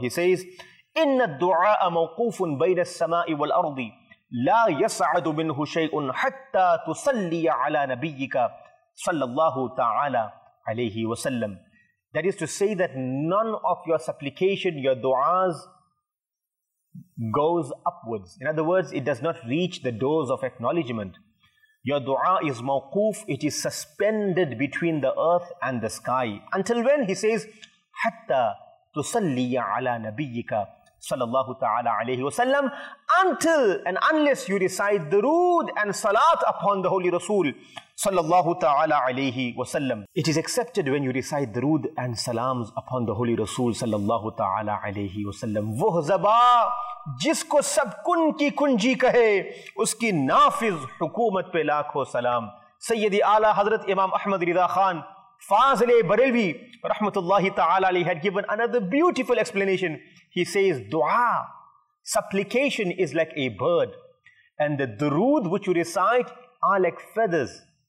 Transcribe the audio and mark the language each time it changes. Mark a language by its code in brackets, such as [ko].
[en] He says, [ar] إِنَّ الدُّعَاءَ مَوْقُوفٌ بَيْنَ السَّمَاءِ وَالْأَرْضِ لَا يَسْعَدُ مِنْهُ شَيْءٌ حَتَّى تُسَلِّيَ عَلَى نَبِيِّكَ صَلَّى اللَّهُ تَعَالَى عَلَيْهِ وَسَلَّمْ. [en] That is to say that none of your supplication, your du'as, goes upwards. In other words, it does not reach the doors of acknowledgement. Your du'a is mawquf, it is suspended between the earth and the sky. Until when? He says, [ar] حَتَّى تُسَلِّيَ عَلَى نَبِيِّكَ صَلَى اللَّهُ تَعَالَى عَلَيْهِ وَسَلَّمْ. [en] Until and unless you recite durood and salat upon the Holy Rasul [ar] صَلَى اللَّهُ تَعَالَى عَلَيْهِ وَسَلَّمْ. [en] It is accepted when you recite durood and salams upon the Holy Rasul [ar] صَلَى اللَّهُ تَعَالَى عَلَيْهِ وَسَلَّمْ. [ur] وہ زبا جس کو سب کن کی کنجی کہے اس کی نافذ حکومت پہ لاکھوں سلام. [en] سیدی آلہ حضرت امام Ahmad Raza Khan Fazl-e Barelvi, rahmatullahi ta'ala alayhi, had given another beautiful explanation. He says, dua, supplication is like a bird. And the durood which you recite are like feathers.